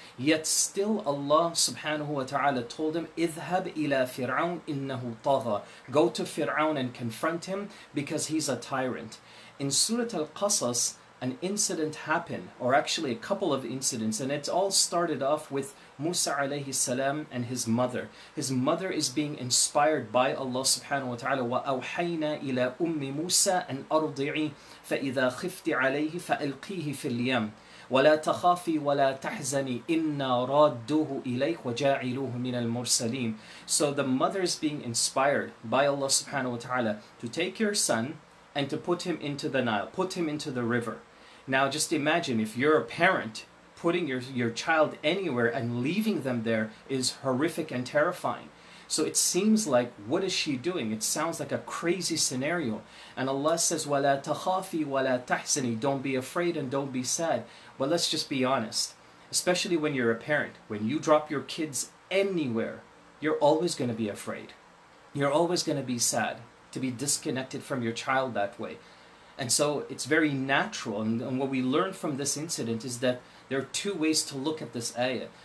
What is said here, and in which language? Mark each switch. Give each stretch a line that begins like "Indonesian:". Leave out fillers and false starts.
English: Yet still Allah subhanahu wa ta'ala told him,
Arabic: اذهب إلى فرعون إنه طغى.
English: Go to Fir'aun and confront him because he's a tyrant. In Surah Al-Qasas, an incident happened, or actually a couple of incidents, and it all started off with Musa alayhi salam and his mother. His mother is being inspired by Allah subhanahu wa ta'ala,
Arabic: وَأَوْحَيْنَا إِلَىٰ أُمِّ مُوسَىٰ أَنْ أَرْضِعِي فَإِذَا خِفْتِ عَلَيْهِ فَأَلْقِيهِ فِي الْيَمِ وَلَا تَخَافِي وَلَا تَحْزَنِي إِنَّا رَادُّهُ إِلَيْكَ وَجَاعِلُوهُ مِنَ الْمُرْسَلِينَ.
English: So the mother is being inspired by Allah subhanahu wa ta'ala to take your son and to put him into the Nile, put him into the river. Now just imagine, if you're a parent, putting your child anywhere and leaving them there is horrific and terrifying. So it seems like, what is she doing? It sounds like a crazy scenario. And Allah says,
Arabic: وَلَا تَخَافِي وَلَا تَحْزَنِي.
English: Don't be afraid and don't be sad. But let's just be honest. Especially when you're a parent. When you drop your kids anywhere, you're always going to be afraid. You're always going to be sad to be disconnected from your child that way. And so it's very natural. And what we learn from this incident is that there are two ways to look at this ayah.